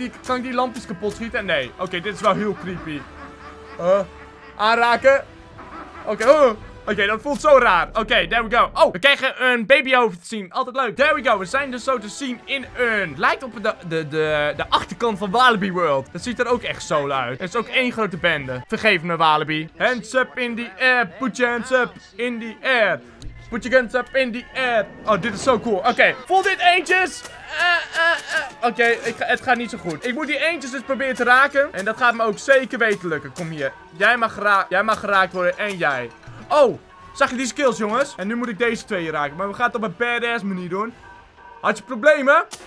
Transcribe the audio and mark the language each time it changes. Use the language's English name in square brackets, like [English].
[Dutch] Kan ik die lampjes kapot schieten? Nee. Oké, dit is wel heel creepy. Aanraken. Oké. Oké, dat voelt zo raar. Oké, [English] there we go. [Dutch] Oh, we krijgen een babyhoofd te zien. Altijd leuk. [English] There we go. [Dutch] We zijn dus zo te zien in een... Lijkt op de achterkant van Walibi World. Dat ziet er ook echt zo uit. Het is ook één grote bende. Vergeef me, Walibi. [English] Hands up in the air. Put your hands up in the air. Put your hands up in the air. [Dutch] Oh, dit is zo cool. Oké, voel dit eentjes. Oké, het gaat niet zo goed. Ik moet die eentjes dus proberen te raken. En dat gaat me ook zeker weten lukken. Kom hier. Jij mag geraakt worden en jij. Oh, zag je die skills, jongens? En nu moet ik deze twee raken. Maar we gaan het op een badass manier doen. Had je problemen?